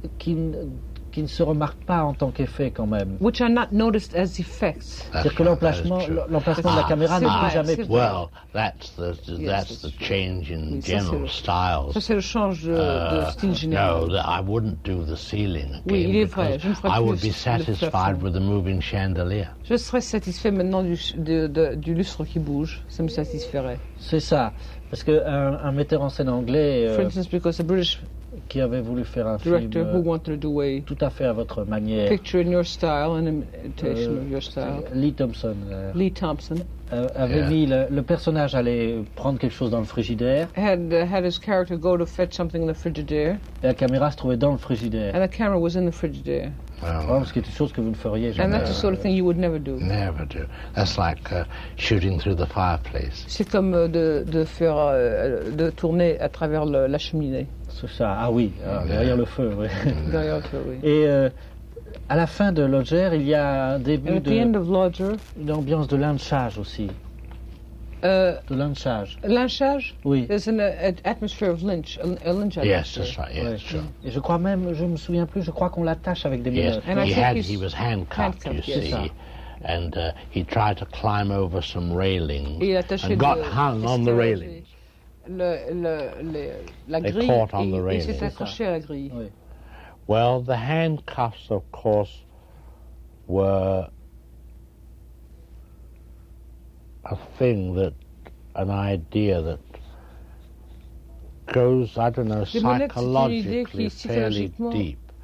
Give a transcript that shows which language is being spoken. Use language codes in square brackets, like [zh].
[fr] qui ne se remarquent pas en tant qu'effet quand même [en] which are not noticed as effects. [fr] C'est-à-dire que l'emplacement de la caméra ne peut jamais [en] plus. Well, that's the change in general styles. [fr] Ça c'est le change de style général. [en] No, I wouldn't do the ceiling again. [fr] Oui, il est vrai. Je ne ferais plus [en] I would be satisfied with the moving chandelier. [fr] Je serais satisfait maintenant du lustre qui bouge. Ça me satisferait. C'est ça. Parce que un metteur en scène anglais [en] for instance, because a British [fr] qui avait voulu faire un [en] director [fr] film [en] who wanted to do a [fr] tout à fait à votre manière [en] picture in your style an imitation of your style Lee Thompson [fr] avait mis le personnage allait prendre quelque chose dans le frigidaire [en] had his character go to fetch something in the frigidaire [fr] et la caméra se trouvait dans le frigidaire [en] and the camera was in the frigidaire. Wow. [fr] Oh, c'est une chose que vous ne feriez jamais. [en] And that's the sort of thing you would never do. Never do. That's like shooting through the fireplace. [fr] C'est comme de tourner à travers la cheminée. C'est ça. Ah oui, derrière le feu, oui. Derrière le feu, oui. Et à la fin de Lodger, il y a un début [en] at the end of Lodger, [fr] une ambiance de lynchage aussi. De lynchage. Lynchage? Oui. [en] There's an atmosphere of lynch. A lynch atmosphere. Yes, that's right. Yes, ouais. Sure. [fr] Et je crois même, je me souviens plus, je crois qu'on l'attache avec des mineurs. [en] Yes, he was handcuffed, you see. [fr] Ça. [en] And he tried to climb over some railings. [fr] Il attaché [en] and got hung on the railings. [fr] La grille. [en] They caught on the railings. [fr] Il s'est accroché à la grille. Oui. [en] Well, the handcuffs, of course, were a thing that, an idea that goes, I don't know, psychologically fairly deep.